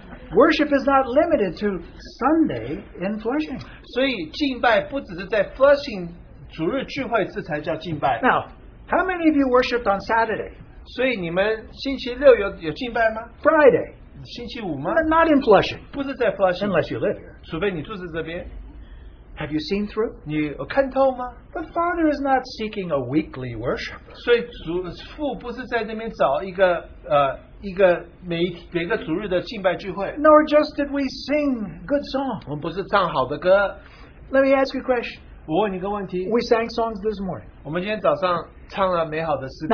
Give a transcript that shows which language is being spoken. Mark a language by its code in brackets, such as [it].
[en] Worship is not limited to Sunday in Flushing. [zh] 所以敬拜不只是在 Flushing 主日聚会这才叫敬拜。 [en] Now, how many of you worshipped on Saturday? [zh] 所以你们星期六有敬拜吗？ [en] Friday. [zh] 星期五吗？ [en] Not in Flushing. [zh] 不是在 Flushing. [en] Unless you live here. [zh] 除非你住在这边。 [en] Have you seen through? [zh] 你有看透吗? [en] The Father is not seeking a weekly worship. [zh] 所以父不是在那边找一个每个主日的敬拜聚会。 [en] Nor just did we sing good songs. [zh] 我们不是唱好的歌。 [en] Let me ask you a question. [zh] 我问你个问题。 [en] We sang songs this morning. [zh] 我们今天早上唱了美好的诗歌。